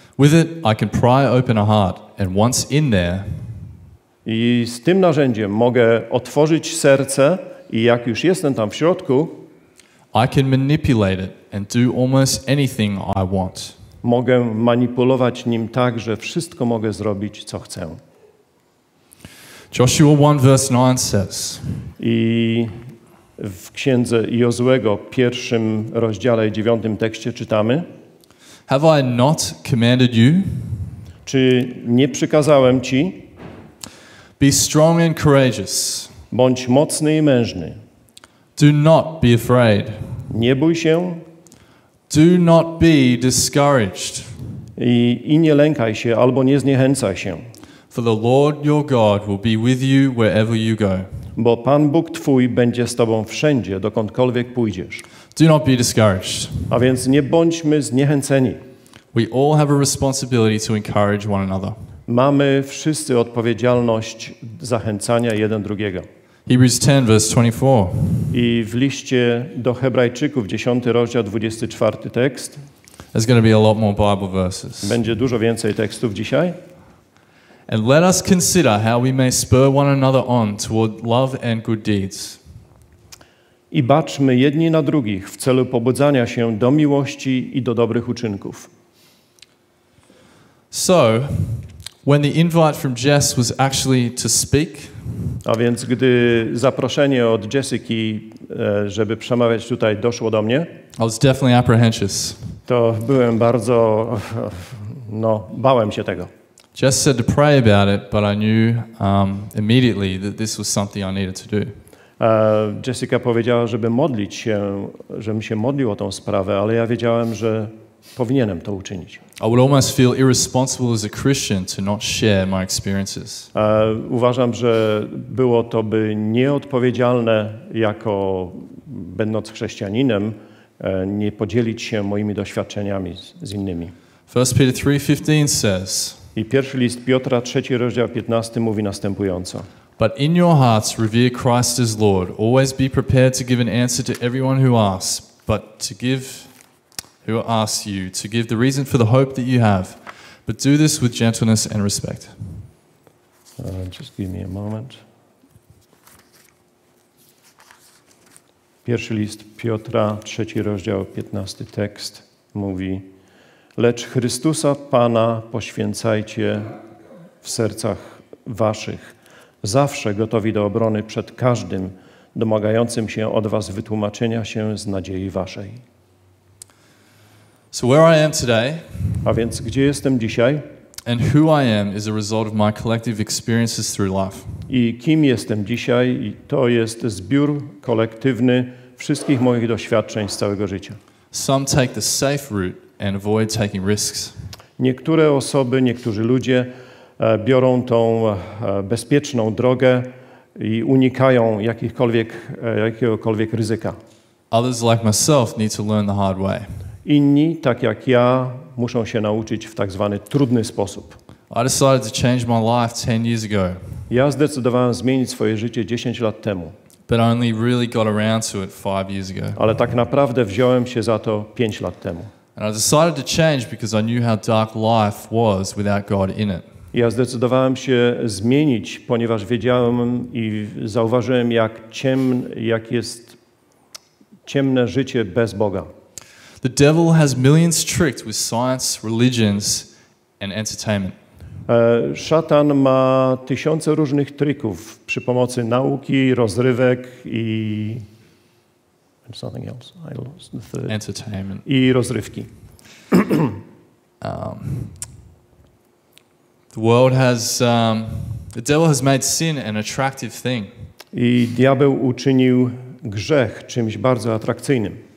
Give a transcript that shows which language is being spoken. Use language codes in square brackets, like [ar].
[en] With it, I can pry open a heart, and once in there, [pl] i z tym narzędziem mogę otworzyć serce i jak już jestem tam w środku, [en] I can manipulate it and do almost anything I want. [pl] Mogę manipulować nim tak, że wszystko mogę zrobić, co chcę. [en] Joshua 1 verse 9 says. [pl] I w księdze Jozuego, pierwszym rozdziale i dziewiątym tekście czytamy: [en] Have I not commanded you? [pl] Czy nie przykazałem ci? [en] Be strong and courageous. [pl] Bądź mocny i mężny. [en] Do not be afraid. [pl] Nie bój się. [en] Do not be discouraged. [pl] I nie lękaj się albo nie zniechęcaj się. [en] For the Lord your God will be with you wherever you go. [pl] Bo Pan Bóg twój będzie z tobą wszędzie, dokądkolwiek pójdziesz. [en] Do not be discouraged. [pl] A więc nie bądźmy zniechęceni. [en] We all have a responsibility to encourage one another. [pl] Mamy wszyscy odpowiedzialność zachęcania jeden drugiego. [en] Hebrews 10, verse 24. [pl] I w liście do Hebrajczyków, 10 rozdział, 24 tekst. [en] There's going to be a lot more Bible verses. [pl] Będzie dużo więcej tekstów dzisiaj. [en] And let us consider how we may spur one another on toward love and good deeds. [pl] I baczmy jedni na drugich w celu pobudzania się do miłości i do dobrych uczynków. [en] So, when the invite from Jess was actually to speak, [pl] a więc gdy zaproszenie od Jessiki, żeby przemawiać tutaj, doszło do mnie, [en] I was definitely apprehensive. [pl] To byłem bardzo, no, bałem się tego. [en] Jess said to pray about it, but I knew immediately that this was something I needed to do. [pl] Jessica powiedziała, żeby modlić się, żebym się modlił o tą sprawę, ale ja wiedziałem, że powinienem to uczynić. [en] I would almost feel irresponsible as a Christian to not share my experiences. [pl] Uważam, że było to by nieodpowiedzialne jako będąc chrześcijaninem nie podzielić się moimi doświadczeniami z innymi. [en] 1 Peter 3:15 says. [pl] I pierwszy list Piotra, 3 rozdział 15 mówi następująco. [en] But in your hearts revere Christ as Lord. Always be prepared to give an answer to everyone who asks, but to give who asks you to give the reason for the hope that you have, but do this with gentleness and respect. Just give me a moment. [pl] Pierwszy list Piotra, 3 rozdział, 15 tekst mówi: Lecz Chrystusa Pana poświęcajcie w sercach waszych, zawsze gotowi do obrony przed każdym domagającym się od was wytłumaczenia się z nadziei waszej. [en] So where I am today, [pl] a więc gdzie jestem dzisiaj, [en] and who I am is a result of my collective experiences through life. [pl] I kim jestem dzisiaj, to jest zbiór kolektywny wszystkich moich doświadczeń z całego życia. [en] Some take the safe route and avoid taking risks. [pl] Niektóre osoby, niektórzy ludzie biorą tą bezpieczną drogę i unikają jakiegokolwiek ryzyka. [en] Others like myself need to learn the hard way. [pl] Inni, tak jak ja, muszą się nauczyć w tak zwany trudny sposób. [en] I decided to change my life 10 years ago. [pl] Ja zdecydowałem zmienić swoje życie 10 lat temu. [en] But only really got around to it 5 years ago. [pl] Ale tak naprawdę wziąłem się za to 5 lat temu. [en] And I decided to change because I knew how dark life was without God in it. [pl] Ja zdecydowałem się zmienić, ponieważ wiedziałem i zauważyłem, jak jest ciemne życie bez Boga. [en] The devil has millions tricked with science, religions, and entertainment. [pl] Szatan ma tysiące różnych trików przy pomocy nauki, rozrywek i [en] something else. I lost the third. Entertainment. [pl] I rozrywki. [en] The world has the devil has made sin an attractive thing. [pl] I diabeł uczynił grzech czymś bardzo atrakcyjnym.